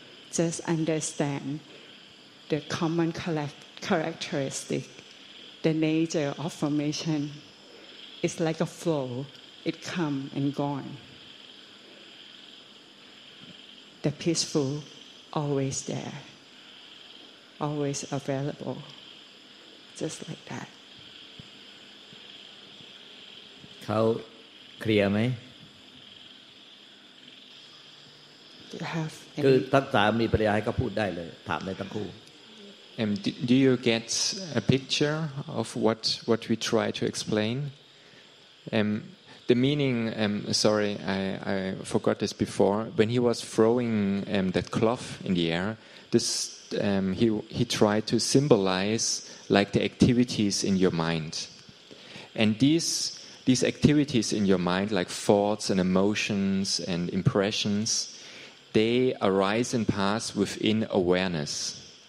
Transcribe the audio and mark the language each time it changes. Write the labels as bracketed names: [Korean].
[English] Just understand the common characteristic, the nature of formation. It's like a flow. It come and gone. The peaceful always there, always available, just like that. [Thai] เขาเคลียร์ไหมคือทั้งสามมีปัญญาให้เขาพูดได้เลยถามได้ทั้งคู่ [English] Do you get a picture of what we try to explain? The meaning. Sorry, I forgot this before. When he was throwing that cloth in the air, he tried to symbolize like the activities in your mind, and these activities in your mind, like thoughts and emotions and impressions, they arise and pass within awareness.